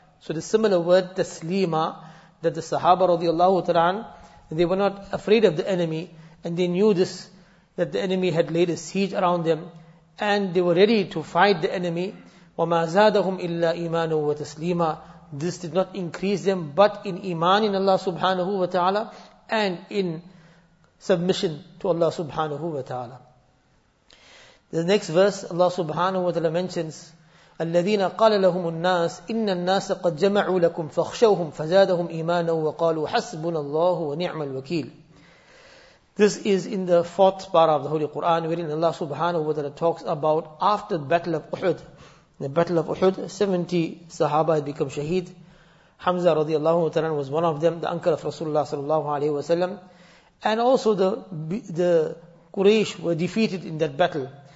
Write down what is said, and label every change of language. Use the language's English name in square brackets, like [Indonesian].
[English] So the similar word taslima, that the sahaba radiallahu ta'ala, they were not afraid of the enemy and they knew this, that the enemy had laid a siege around them and they were ready to fight the enemy. [Arabic] وَمَا زَادَهُمْ إِلَّا إِيمَانُهُ وَتَسْلِيمًا. [English] This did not increase them but in iman in Allah subhanahu wa ta'ala and in submission to Allah subhanahu wa ta'ala. The next verse Allah subhanahu wa ta'ala mentions, [Arabic] الَّذِينَ قَالَ لَهُمُ النَّاسِ إِنَّ النَّاسَ قَدْ جَمَعُوا لَكُمْ فَخْشَوْهُمْ فَزَادَهُمْ إِيمَانًا وَقَالُوا حَسْبُنَ اللَّهُ وَنِعْمَ الْوَكِيلُ. [English] This is in the fourth part of the Holy Quran wherein Allah subhanahu wa ta'ala talks about after the battle of Uhud. In the battle of Uhud, 70 Sahaba had become shaheed. Hamza radiallahu ta'ala was one of them, the uncle of Rasulullah sallallahu alayhi wa sallam. And also the Quraysh were defeated in that battle.